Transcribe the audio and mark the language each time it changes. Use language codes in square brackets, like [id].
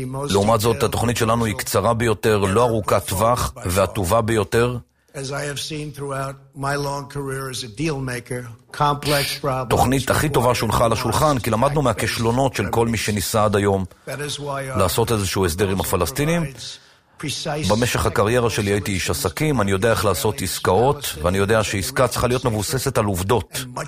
[he] לעומת זאת, התוכנית שלנו היא קצרה ביותר, לא ארוכת טווח, והטובה ביותר. [en] As I have seen throughout my long career as a deal maker, complex problems. [he] תוכנית הכי טובה שהונחה על השולחן, כי למדנו מהכישלונות של כל מי שניסה עד היום לעשות איזשהו הסדר עם הפלסטינים. במשך הקריירה שלי הייתי איש עסקים, אני יודע איך לעשות עסקאות, ואני יודע שעסקה צריכה להיות מבוססת על עובדות.